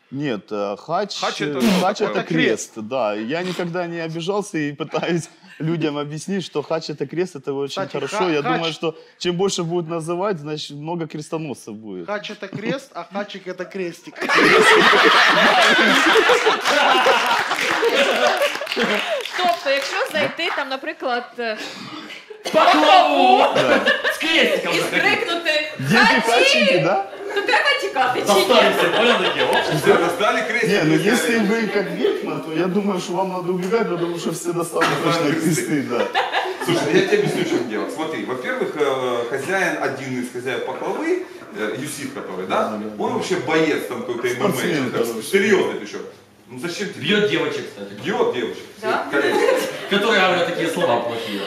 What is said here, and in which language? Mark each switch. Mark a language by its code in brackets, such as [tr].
[ru] Нет, хач это крест. Да, я никогда не обижался и пытаюсь людям объяснить, что хач это крест, это очень кстати, хорошо. Я думаю, что чем больше будут называть, значит много крестоносцев будет. Хач это крест, а хачик это крестик. [uk] Тобто, якщо зайти там, наприклад, Паклаву! З крестиком! І скрикнути! Діти хачики, да? То треба тікати, чи ні? Достали крестики. Ні, ну якщо ви як гетьман, то я думаю, що вам треба убігати, тому що всі достали точно крести, да. [ru] Слушай, я тебе объясню, что делать. Смотри, во-первых, хозяин, один из хозяев Пахлавы, Юсиф который, да? Он вообще боец там какой-то ММА, серьезный ты что? Ну зачем тебе? Бьет девочек, кстати. Бьет девочек. Да? Которые говорят такие слова плохие.